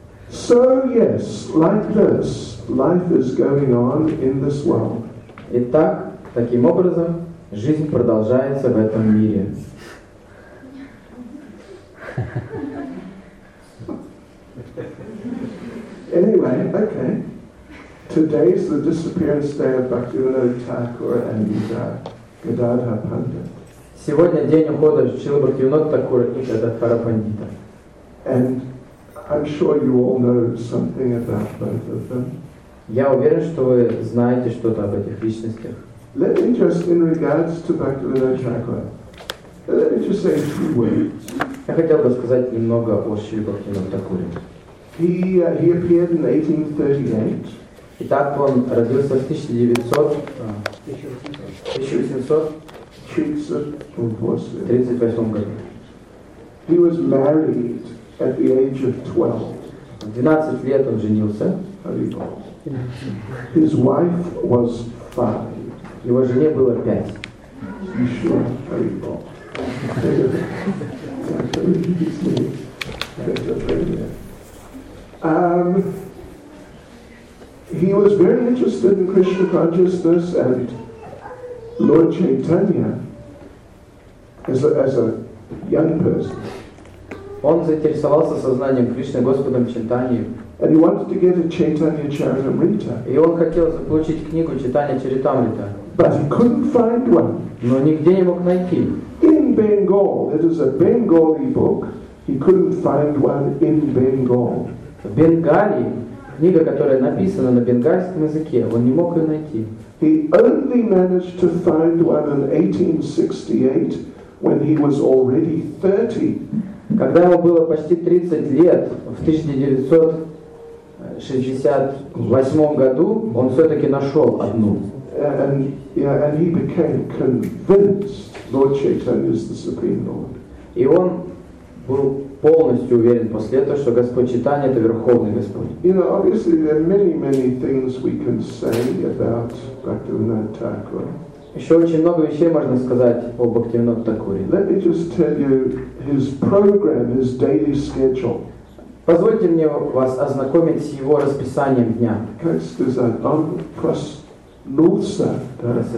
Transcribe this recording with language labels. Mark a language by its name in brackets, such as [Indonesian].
[English] So yes, like this, life is going on in this world. [Russian] Итак, таким образом, жизнь продолжается в этом мире. [English] Anyway, okay. Today is the disappearance day of Bhaktivinoda Thakur and Gadadhar Pandit. [Russian] Сегодня день ухода Шрилы Бхактивинода Тхакура и Гададхара Пандита. [English] And I'm sure you all know something about both of them. [Russian] Я уверен, что вы знаете что-то об этих личностях. [English] Let me just in regards to Bhaktivinoda Thakur. Let me just say a few words. [Russian] Я хотел бы сказать немного о Шриле Бхактивинода Тхакуре. [English] He appeared in 1838. [Russian] Итак, он родился в 1838 году. [English] He was married at the age of 12. [Russian] В 12 лет он женился. [English] His wife was 5. [Russian] Его жене было 5. [English] You sure? Very good. He was very interested in Krishna consciousness and Lord Chaitanya as a young person. [Russian] Он заинтересовался сознанием Кришны, Господом Чайтаньей. [English] And he wanted to get a Chaitanya Charitamrita. [Russian] И он хотел заполучить книгу Чайтанья Чаритамрита. [English] But he couldn't find one. [Russian] Но нигде не мог найти. [English] In Bengal, it is a Bengali book. He couldn't find one in Bengal. [Russian] В Бенгалии книга, которая написана на бенгальском языке, он не мог ее найти. [English] He only managed to find one in 1868 when he was already 30. [Russian] Когда ему было почти 30 лет, в 1968 году он все-таки нашел одну. [English] And he became convinced Lord Chaitanya is the Supreme Lord. [Russian] И он был полностью уверен после этого, что Господь Читания это Верховный Господь. [English] You know, obviously there are many, many things we can say about Bhaktivinoda Thakura. [Russian] Еще очень много вещей можно сказать о Бхактивинода Такуре. [English] Let me just tell you his program, his daily schedule. [Russian] Позвольте мне вас ознакомить с его расписанием дня. Как сказать, он проснулся, да?